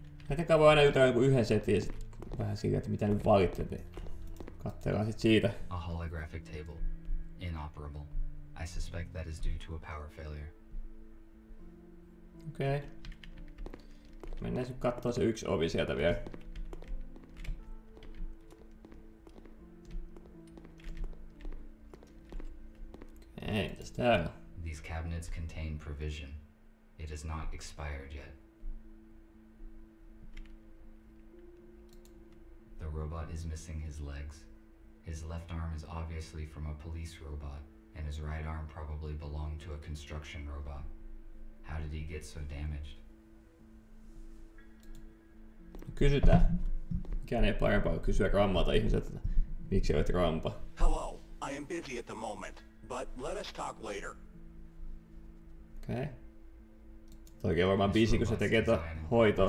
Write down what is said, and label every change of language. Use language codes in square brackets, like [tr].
[fi] Jätetään vaan aina jotain kuin yhden setin ja sitten vähän siitä, että mitä nyt valittelee. Katsellaan sitten siitä. [en] A holographic table. Inoperable. I suspect that is due to a power failure. Okei. Okay. [fi] Mennään sitten katsoa se yksi ovi sieltä vielä. Okei, okay, mitäs täällä? [en] These cabinets contain provision. It is not expired yet. The robot is missing his legs. His left arm is obviously from a police robot, and his right arm probably belonged to a construction robot. How did he get so damaged? [fi] Kysytään. Mikään ei parempaa kysyä rammalta ihmiseltä, että miksi olet rampa? [en] Hello, I am busy at the moment, but let us talk later. Okay. [fi] Toki on varmaan busy, kun se tekee tuota hoitoa.